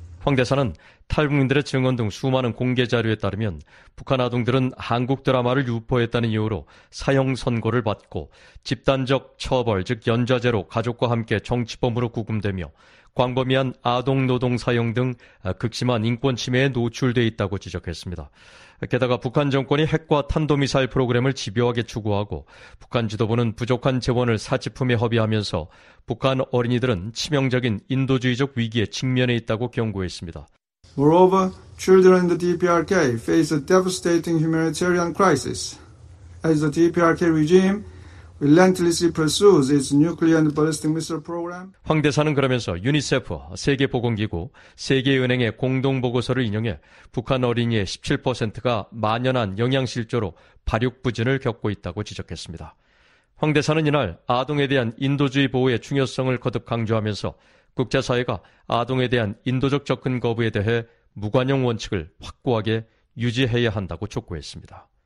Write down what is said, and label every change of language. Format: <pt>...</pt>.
<ko>황 대사는 탈북민들의 증언 등 수많은 공개 자료에 따르면 북한 아동들은 한국 드라마를 유포했다는 이유로 사형 선고를 받고 집단적 처벌 즉 연좌제로 가족과 함께 정치범으로 구금되며 광범위한 아동 노동 사용 등 극심한 인권 침해에 노출되어 있다고 지적했습니다. 게다가 북한 정권이 핵과 탄도미사일 프로그램을 집요하게 추구하고 북한 지도부는 부족한 재원을 사치품에 허비하면서 북한 어린이들은 치명적인 인도주의적 위기에 직면해 있다고 경고했습니다.</ko> <en>Moreover, children in the DPRK face a devastating humanitarian crisis as the DPRK regime relentlessly pursues its nuclear and ballistic missile program.</en> <ko>황 대사는 그러면서 유니세프, 세계보건기구, 세계은행의 공동보고서를 인용해 북한 어린이의 17%가 만연한 영양실조로 발육부진을 겪고 있다고 지적했습니다. 황 대사는 이날 아동에 대한 인도주의 보호의 중요성을 거듭 강조하면서 국제사회가 아동에 대한 인도적 접근 거부에 대해 무관용 원칙을 확고하게 유지해야 한다고 촉구했습니다.</ko>